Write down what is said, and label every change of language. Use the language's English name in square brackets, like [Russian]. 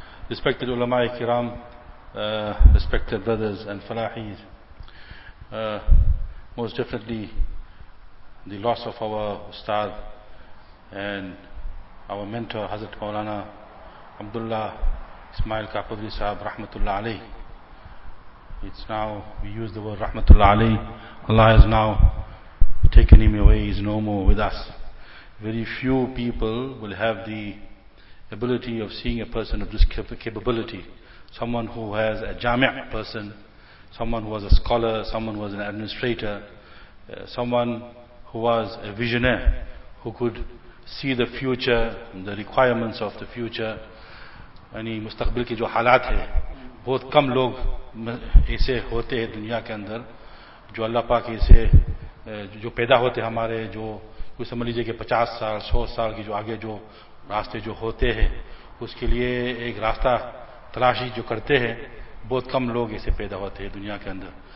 [English] Respected علماء کرام، respected brothers and فلاحیز، most definitely the loss of our استاد اینڈ اور مینٹر حضرت مولانا عبداللہ اسماعیل کاکوری صاحب رحمۃ اللہ علیہ. It's now we use the word رحمۃ اللہ علیہ. Allah has now taken him away, is no more with us. Very few people will have the ability of seeing a person of this capability. Someone who has a jami' person, someone who was a scholar, someone who was an administrator, someone who was a visionaire, who could see the future, the requirements of the future. [Urdu] Yani mustaqbil ke jo halaat hai, bahut kam log aise hote hain duniya ke andar jo Allah Pak aise jo paida hote hamare jo کوئی سمجھ لیجیے کہ 50 سال 100 سال کی جو آگے جو راستے جو ہوتے ہیں اس کے لیے ایک راستہ تلاشی جو کرتے ہیں، بہت کم لوگ اسے پیدا ہوتے ہیں دنیا کے اندر.